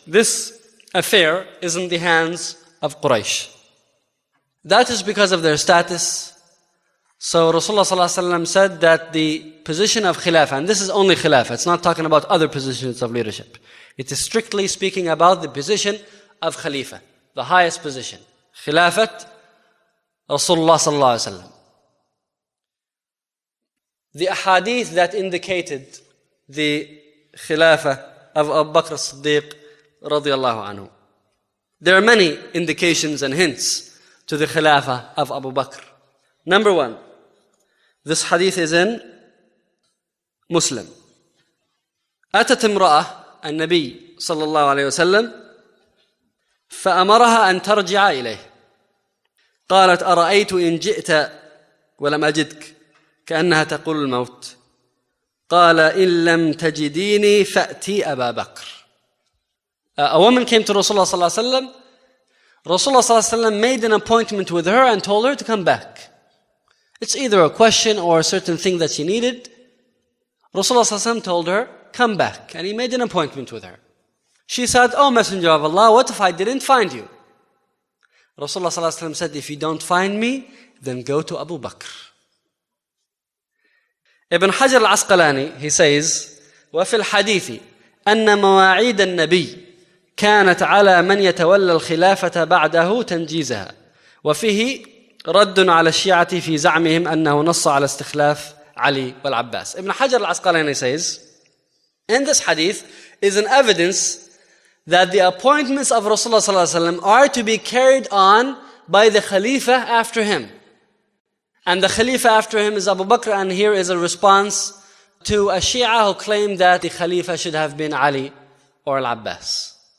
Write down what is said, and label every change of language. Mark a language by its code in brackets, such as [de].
[en] This affair is in the hands of Quraysh. That is because of their status. So Rasulullah صلى الله عليه وسلم said that the position of khilafah, and this is only khilafah, it's not talking about other positions of leadership. It is strictly speaking about the position of khalifa, the highest position. Khilafat Rasulullah صلى الله عليه وسلم. The ahadith that indicated the khilafah of Abu Bakr as-Siddiq radiyallahu anhu. There are many indications and hints to the khilafah of Abu Bakr. Number one, this hadith is in Muslim. [ar] أتت امرأة النبي صلى الله عليه وسلم فأمرها أن ترجع إليه. قالت أرأيت إن جئت ولم أجدك, كأنها تقول الموت. قال إن لم تجديني فأتي أبا بكر. [en] A woman came to Rasulullah صلى الله عليه وسلم. Rasulullah صلى الله عليه وسلم made an appointment with her and told her to come back. It's either a question or a certain thing that she needed. Rasulullah صلى الله عليه وسلم told her, come back. And he made an appointment with her. She said, oh Messenger of Allah, what if I didn't find you? Rasulullah صلى الله عليه وسلم said, if you don't find me, then go to Abu Bakr. Ibn Hajar al-Asqalani, he says, [ar] وَفِي الْحَدِيثِ أَنَّ مَوَاعِيدَ النَّبِيِّ كانت على من يتولى الخلافة بعده تنجيزها. وفيه رد على الشيعة في زعمهم أنه نص على استخلاف علي والعباس. [en] ابن حجر العسقلاني says, in this hadith is an evidence that the appointments of Rasulullah صلى الله عليه وسلم are to be carried on by the Khalifa after him. And the Khalifa after him is Abu Bakr, and here is a response to a Shia who claimed that the Khalifa should have been Ali or al-Abbas.